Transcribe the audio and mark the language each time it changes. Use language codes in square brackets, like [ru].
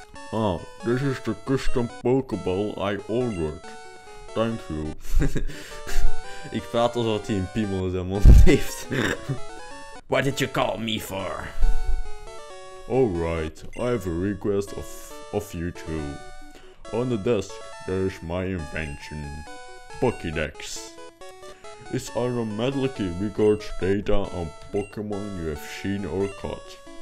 [en] Ah, this is the custom Pokeball I ordered. Thank you. [nl] Ik praat alsof hij een piemel in zijn mond heeft. [en] What did you call me for? Alright, I have a request of you two. On the desk, there is my invention. Pokédex. It's automatically records data on Pokémon you have seen or caught.